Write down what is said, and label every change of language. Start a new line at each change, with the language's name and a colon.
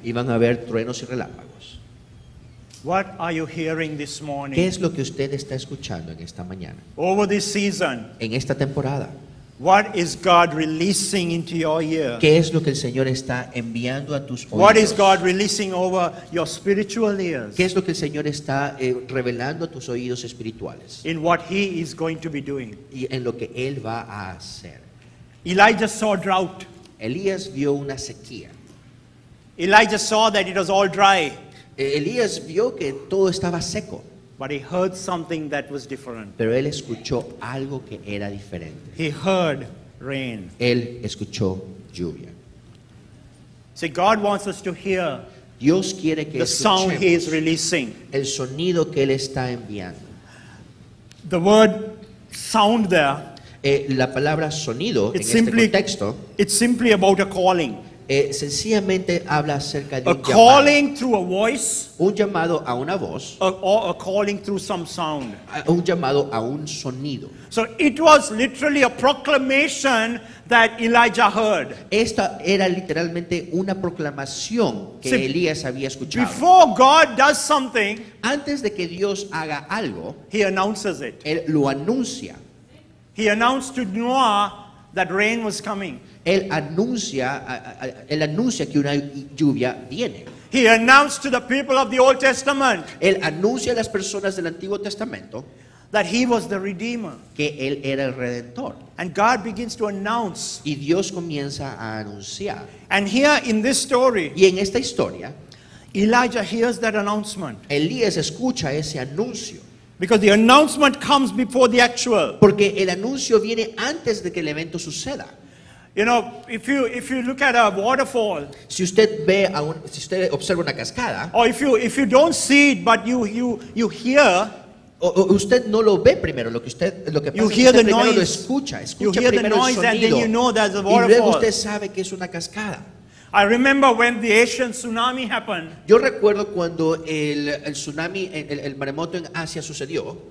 Spanish: Iban a haber truenos y relámpagos.
English: What are you hearing this morning?
Spanish: ¿Qué es lo que usted está escuchando en esta mañana?
English: Over this season.
Spanish: En esta temporada.
English: What is God releasing into your ear?
Spanish: ¿Qué es lo que el Señor está enviando a tus oídos?
English: What is God releasing over your spiritual ears?
Spanish: ¿Qué es lo que el Señor está revelando a tus oídos espirituales?
English: In what he is going to be doing.
Spanish: Y en lo que él va a hacer.
English: Elijah saw drought.
Spanish: Elías vio una sequía.
English: Elijah saw that it was all dry.
Spanish: Elías vio que todo estaba seco.
English: But he heard something that was different.
Spanish: Pero él escuchó algo que era diferente.
English: He heard rain.
Spanish: Él escuchó lluvia.
English: See, God wants us to hear
Spanish: Dios quiere que
English: the sound he is releasing.
Spanish: El sonido que él está enviando.
English: The word sound there.
Spanish: La palabra sonido en este contexto,
English: it's simply about a calling.
Spanish: Sencillamente habla acerca de
English: a
Spanish: un
English: calling
Spanish: llamado,
English: through a voice,
Spanish: un llamado a una voz,
English: or a calling through some sound,
Spanish: un llamado a un sonido.
English: So it was literally a proclamation that Elijah heard.
Spanish: Esta era literalmente una proclamación que See, Elías había escuchado.
English: Before God does something,
Spanish: antes de que Dios haga algo,
English: he announces it.
Spanish: Él lo anuncia.
English: He announced to Noah that rain was coming.
Spanish: Él anuncia que una lluvia viene.
English: He announced to the people of the Old Testament.
Spanish: Él anuncia a las personas del Antiguo Testamento
English: that he was the Redeemer.
Spanish: Que él era el Redentor.
English: And God begins to announce.
Spanish: Y Dios comienza a anunciar.
English: And here in this story,
Spanish: y en esta historia,
English: Elijah hears that announcement.
Spanish: Elías escucha ese anuncio.
English: Because the announcement comes before the actual.
Spanish: Porque el anuncio viene antes de que el evento suceda.
English: You know, if you look at a waterfall.
Spanish: Si usted ve a un, si usted observa una cascada.
English: Or if you don't see it, but you hear.
Spanish: O usted no lo ve primero, lo que pasa es que usted primero lo escucha.
English: You hear the noise and then you know there's a waterfall.
Spanish: Y luego usted sabe que es una cascada.
English: I remember when the Asian tsunami happened.
Spanish: Yo recuerdo cuando el tsunami, el maremoto en Asia sucedió.